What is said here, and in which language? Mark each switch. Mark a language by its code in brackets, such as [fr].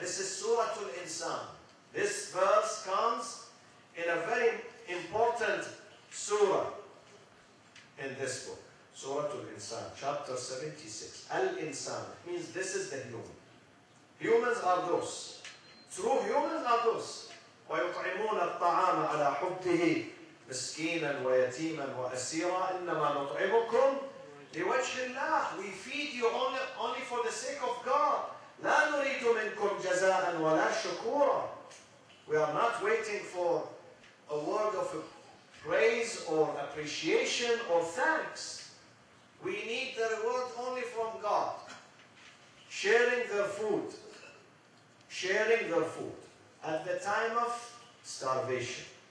[en] This is Surah Al-Insan. This verse comes in a very important surah in this book. سورة الإنسان chapter 76 الإنسان means this is the human. Humans are those. True humans are those. [ar] ويطعمون الطعام على حبه مسكينا ويتيما وأسيرا إنما نطعمكم لوجه الله. [en] We feed you only for the sake of God. [ar] لا نريد منكم جزاء ولا شكورا. [en] We are not waiting for a word of praise or appreciation or thanks. We need the reward only from God. Sharing their food. Sharing their food. At the time of starvation.